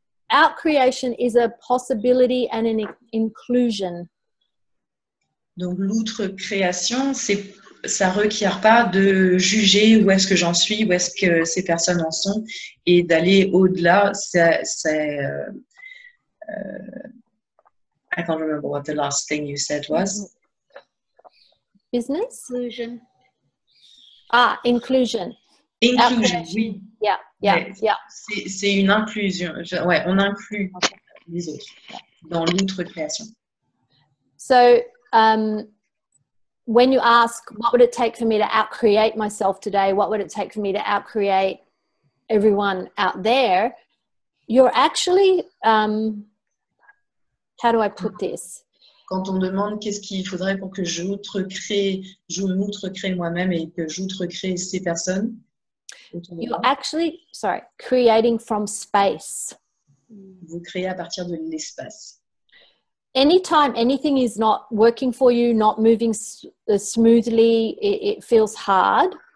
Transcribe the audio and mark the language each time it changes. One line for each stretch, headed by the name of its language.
English: out-creation is a possibility and an inclusion.
French: Donc l'outre-création, c'est, ça requiert pas de juger où est-ce que j'en suis, où est-ce que ces personnes en sont, et d'aller au-delà, c'est
English: I can't remember what the last thing you said was. Business? Inclusion. Ah, inclusion.
French: Inclusion, oui.
English: Yeah.
French: C'est une inclusion. Ouais, on inclut les autres dans l'outre-création.
English: So, when you ask, what would it take for me to out-create myself today? What would it take for me to out-create everyone out there? You're actually, how do I put this?
French: Quand on demande qu'est-ce qu'il faudrait pour que j'outre-crée moi-même et que j'outre-crée ces personnes.
English: You're actually, creating from space.
French: Vous créez à partir de l'espace.
English: Anytime anything is not working for you, not moving smoothly, it feels hard.